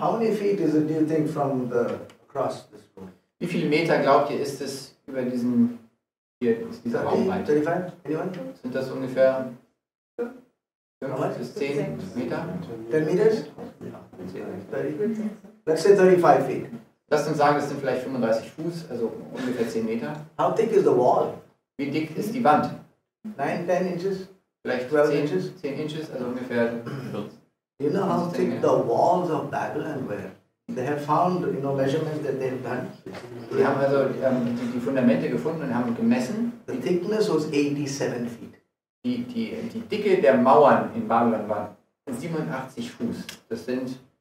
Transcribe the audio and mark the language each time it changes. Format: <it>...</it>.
<en>How many feet is it, do you think, from the cross this room?</en> <de>Wie viele Meter glaubt ihr, ist es über diesen hier, sind das ungefähr 10 Meter? 10 Meter? Ja.</de> <en>Let's say 35 feet.</en> <de>Lass uns sagen, es sind vielleicht 35 Fuß, also ungefähr 10 Meter.</de> <en>How thick is the wall?</en> <de>Wie dick ist die Wand?</de> <en>9, 10 inches?</en> <de>Vielleicht 10 inches, also ungefähr 40.</de> <en>You know how thick the walls of Babylon were? They have found, you know, measurements that they have done.</en> <de>Die haben also die Fundamente gefunden und haben gemessen.</de> <en>The thickness was 87 feet.</en> <de>Die Dicke der Mauern in Babylon waren 87 Fuß. Das sind</de>